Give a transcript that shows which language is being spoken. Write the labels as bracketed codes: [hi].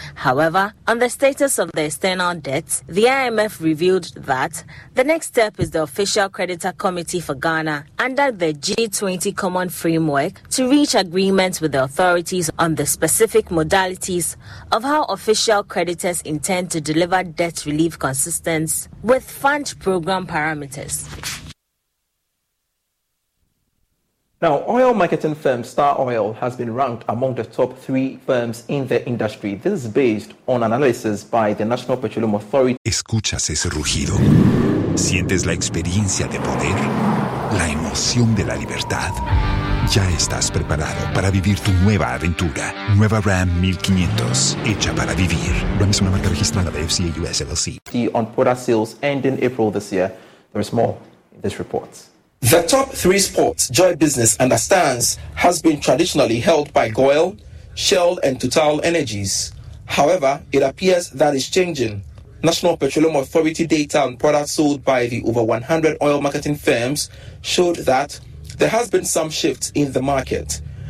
[en] However, on the status of the external debts, the IMF revealed that the next step is the Official Creditor Committee for Ghana under the G20 Common Framework to reach agreement with the authorities on the specific modalities of how official creditors intend to deliver debt relief consistent with fund program parameters. Now, oil marketing firm Star Oil has been ranked among the top three firms in the industry. This is based on analysis by the National Petroleum Authority. [es] ¿Escuchas ese rugido? ¿Sientes la experiencia de poder? La emoción. noción de la libertad. Ya estás preparado para vivir tu nueva aventura. Nueva Ram 1500, hecha para vivir. Ram es una marca registrada de FCA US LLC. [en] On product sales ending April this year, there is more in this report. The top three sports Joy Business understands has been traditionally held by Goil, Shell and Total Energies. However, it appears that is changing. National Petroleum Authority data on products sold by the over 100 oil marketing firms showed that there has been some shift in the market.